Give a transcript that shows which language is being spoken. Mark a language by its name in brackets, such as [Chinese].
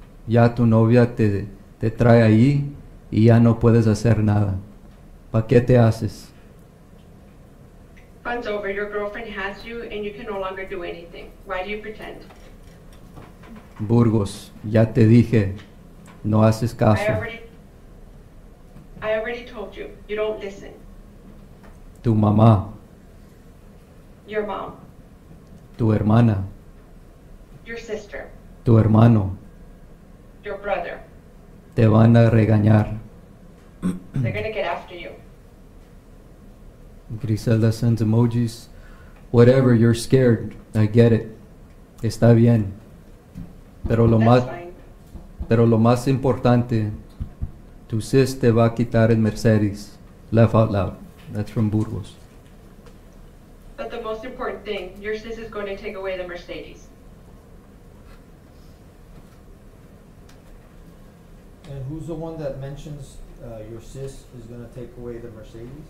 [Spanish] Ya tu novia te trae ahí y ya no puedes hacer nada. ¿Pa qué te haces? [English] Fun's over. Your girlfriend has you, and you can no longer do anything. Why do you pretend? [Spanish] Burgos, ya te dije. No haces caso. [English] I already told you. You don't listen. [Spanish] Tu mamá. [English] Your mom. [Spanish] Tu hermana. [English] Your sister. [Spanish] Tu hermano. [English] Your brother. [Spanish] Te van a regañar. [English] They're gonna get after you. Grizelda sends emojis. Whatever, you're scared. I get it. [Spanish] Está bien. Pero lo más importante, tu sis te va a quitar el Mercedes. [English] Laugh out loud. That's from Burgos. But the most important thing, your sis is going to take away the Mercedes. And who's the one that mentions your sis is going to take away the Mercedes?